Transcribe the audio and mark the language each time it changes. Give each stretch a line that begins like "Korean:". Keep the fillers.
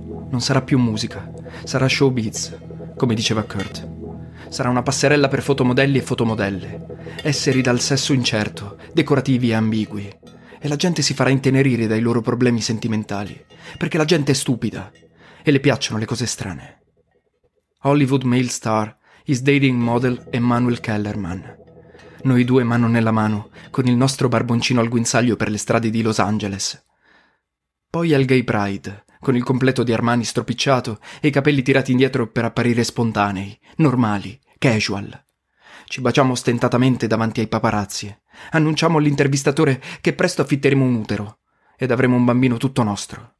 Italian: Non sarà più musica, sarà showbiz, come diceva Kurt. Sarà una passerella per fotomodelli e fotomodelle, esseri dal sesso incerto, decorativi e ambigui. E la gente si farà intenerire dai loro problemi sentimentali, perché la gente è stupida e le piacciono le cose strane.
English: Hollywood male star is dating model Emmanuel Kellerman.
Italian: Noi due mano nella mano, con il nostro barboncino al guinzaglio per le strade di Los Angeles. Poi al Gay Pride, con il completo di Armani stropicciato e i capelli tirati indietro per apparire spontanei, normali, casual. Ci baciamo ostentatamente davanti ai paparazzi. Annunciamo all'intervistatore che presto affitteremo un utero ed avremo un bambino tutto nostro.